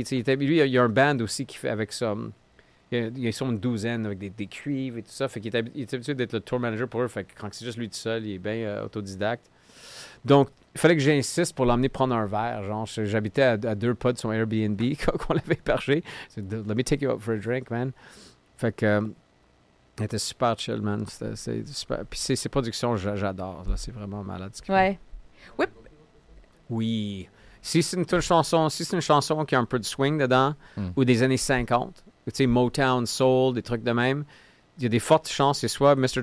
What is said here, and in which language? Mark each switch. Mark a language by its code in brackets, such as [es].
[fr] Il y a un band aussi qui fait avec ça. Il y a sûrement une douzaine avec des cuivres et tout ça. Fait qu'il est habitué d'être le tour manager pour eux. Fait que quand c'est juste lui tout seul, il est bien autodidacte. Donc, il fallait que j'insiste pour l'emmener prendre un verre. Genre, j'habitais à 2 pas de son Airbnb qu'on l'avait hébergé. [en] Let me take you out for a drink, man. [fr] Fait que, il était super chill, man. C'est super. Puis ses productions, j'adore. Là. C'est vraiment malade. Ouais. Whip. Oui. Si c'est une chanson qui a un peu de swing dedans, ou des années 50, tu sais, Motown, Soul, des trucs de même, il y a des fortes chances que ce soit Mr.